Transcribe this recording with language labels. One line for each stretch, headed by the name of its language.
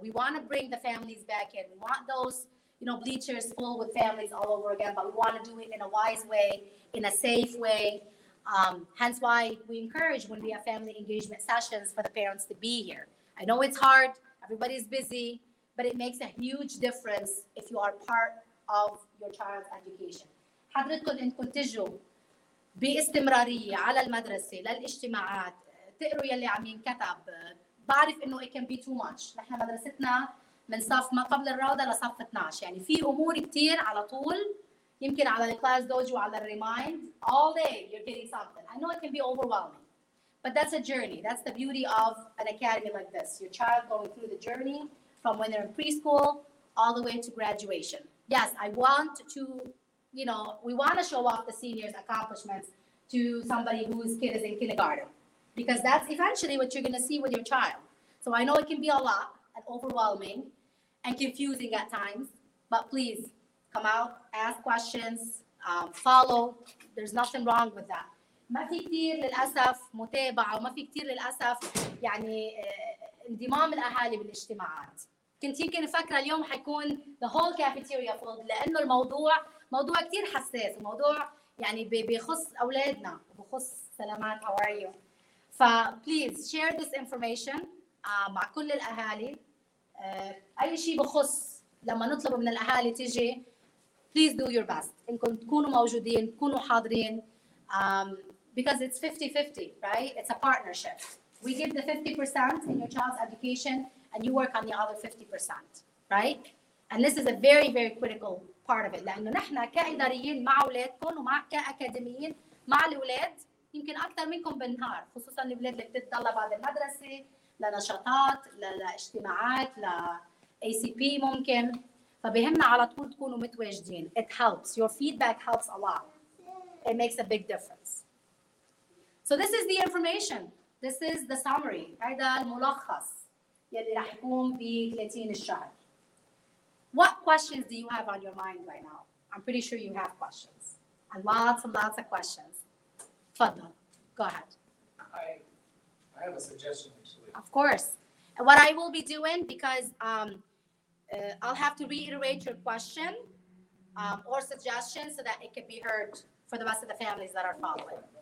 English: We want to bring the families back in. We want those, you know, bleachers full with families all over again, but we want to do it in a wise way, in a safe way. Hence why we encourage when we have family engagement sessions for the parents to be here. I know it's hard, everybody's busy, but it makes a huge difference if you are part of your child's education.
Arabic: حضرتكم انكم تجوا باستمرارية على المدرسة للاجتماعات تقروا يلي عم ينكتب بعرف انه
English: it can be too much.
Arabic: نحن مدرستنا من صف ما قبل الروضة لصف 12، يعني في امور كتير على طول، يمكن على الكلاس دوجو على الريمايند
English: all day you're getting something. I know it can be overwhelming, but that's a journey. That's the beauty of an academy like this. Your child going through the journey from when they're in preschool all the way to graduation. Yes, I want to, you know, we want to show off the seniors' accomplishments to somebody whose kid is in kindergarten, because that's eventually what you're going to see with your child. So I know it can be a lot and overwhelming and confusing at times, but please come out, ask questions, follow. There's nothing wrong with that.
Arabic: ما في كتير للأسف متابعة وما في كتير للأسف يعني انضمام الأهالي بالاجتماعات. كنت يمكن فكرة اليوم حيكون
English: the whole cafeteria full،
Arabic: لأنه الموضوع موضوع كتير حساس، الموضوع يعني بيخص أولادنا وبخص سلامات.
English: How are you? ف please share this information
Arabic: مع كل الأهالي. أي شيء بخص لما نطلب من الأهالي تيجي،
English: please do your best.
Arabic: إنكم تكونوا موجودين، تكونوا حاضرين.
English: Because it's 50-50, right? It's a partnership. We give the 50% in your child's education and you work on the other 50%, right? And this is a very, very critical part of it. لأنه نحن كإداريين مع أولادكم ومع كأكاديميين مع الأولاد يمكن أكثر منكم بالنهار، خصوصا الأولاد اللي بتتضلى بعد المدرسة لنشاطات لاجتماعات لACP ممكن، فبهمنا على طول تكونوا متواجدين. It helps. Your feedback helps a lot. It makes a big difference. So this is the information. This is the summary.
Arabic: هذا الملخص يلي راح يكون ب 30 الشهر.
English: What questions do you have on your mind right now? I'm pretty sure you have questions. And lots and lots of questions.
Arabic: تفضل.
English: Go ahead. I have a suggestion actually. Of course. And what I will be doing, because I'll have to reiterate your question or suggestion so that it can be heard for the rest of the families that are following.